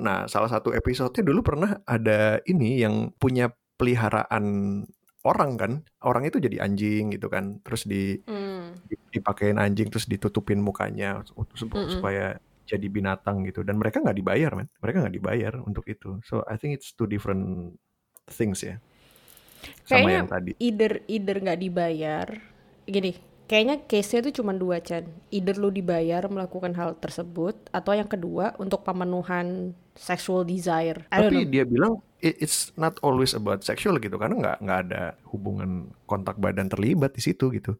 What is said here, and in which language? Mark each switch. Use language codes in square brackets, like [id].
[id] Nah, salah satu episode-nya dulu pernah ada ini yang punya peliharaan orang kan. Orang itu jadi anjing gitu kan. Terus dipakein anjing, terus ditutupin mukanya supaya jadi binatang gitu. Dan mereka nggak dibayar, men. Mereka nggak dibayar untuk itu. [en] So, I think it's two different things ya. [id] Kayaknya sama yang tadi. Either nggak dibayar. Gini. Kayaknya case-nya itu cuma dua, Chan. Either lu dibayar melakukan hal tersebut, atau yang kedua, untuk pemenuhan sexual desire. Tapi dia bilang, it's not always about sexual gitu, karena nggak ada hubungan kontak badan terlibat di situ gitu.